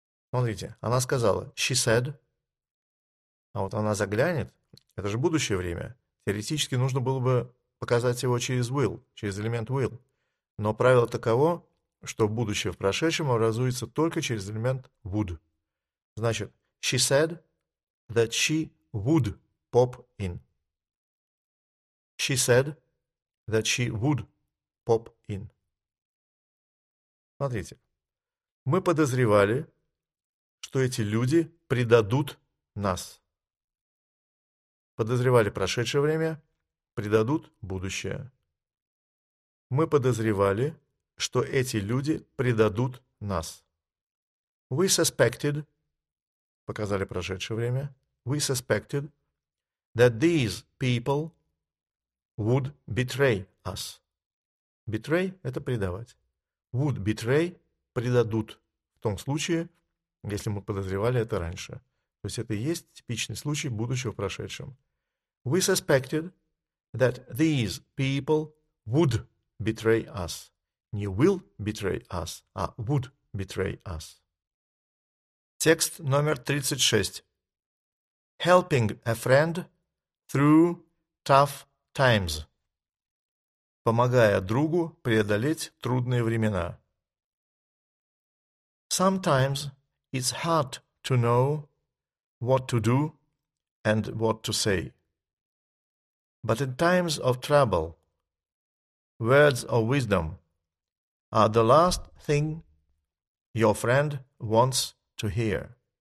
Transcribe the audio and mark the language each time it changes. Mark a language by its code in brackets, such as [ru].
[ru] Смотрите, она сказала [en] «she said», [ru] а вот она заглянет, это же будущее время. Теоретически нужно было бы показать его через will, через элемент will. Но правило таково, что будущее в прошедшем образуется только через элемент would. Значит, [en] she said that she would pop in. She said that she would pop in. [ru] Смотрите. Мы подозревали, что эти люди предадут нас. Подозревали прошедшее время, предадут будущее. Мы подозревали, что эти люди предадут нас. [en] We suspected, [ru] показали прошедшее время, [en] we suspected that these people would betray us. [ru] Betray – это предавать. [en] Would betray – предадут. [ru] В том случае, если мы подозревали это раньше. То есть это и есть типичный случай будущего в прошедшем. [en] We suspected that these people would betray us. Не will betray us, а would betray us. [ru] Текст номер 36. [en] Helping a friend through tough times. [ru] Помогая другу преодолеть трудные времена. [en] Sometimes it's hard to know what to do and what to say. But in times of trouble, words of wisdom are the last thing your friend wants to hear.